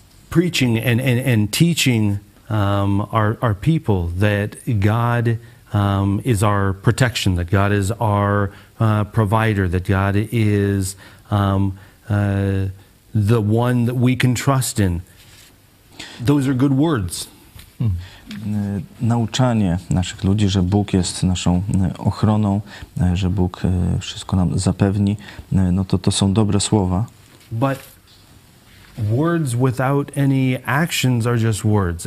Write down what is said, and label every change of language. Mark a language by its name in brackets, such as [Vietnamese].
[English] Preaching and teaching our people that God is our protection, that God is our provider, that God is the one that we can trust in. Those are good words. [Polish] Nauczanie naszych ludzi, że Bóg jest naszą ochroną, że Bóg wszystko nam zapewni, no to są dobre słowa. [English] But words without any actions are just words.